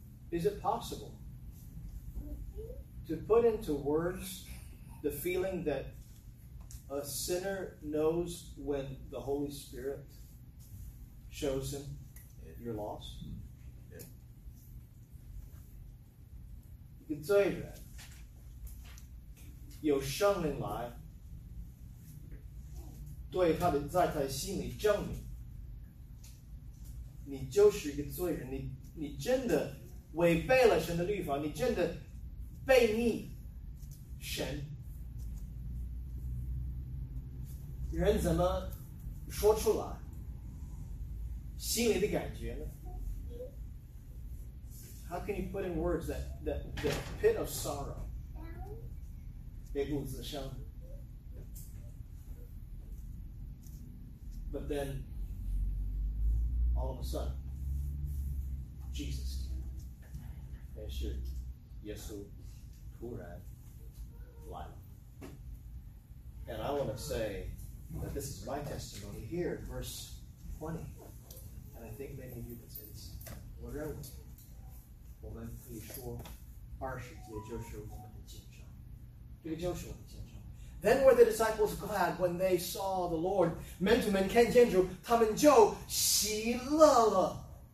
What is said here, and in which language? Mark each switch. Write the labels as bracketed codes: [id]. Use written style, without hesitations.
[en] Is it possible to put into words the feeling that a sinner knows when the Holy Spirit shows him you're lost? [zh] Yeah. 一个罪人有圣灵来对他的在他的心里证明你就是一个罪人， 你真的违背了神的律法，你真的背逆神，人怎么说出来心里的感觉呢？ [en] How can you put in words that the pit of sorrow [zh] 被骨子伤？ [en] But then all of a sudden Jesus came. [zh] 但是耶稣突然来了。 [en] And I want to say that this is my testimony here in verse 20. I think many of you can say this. What are we? [zh] 我们可以说二十节就是我们的见证。这个就是我们的见证。 [en] Then were the disciples glad when they saw the Lord. [zh] 门徒们看见主，他们就喜乐了。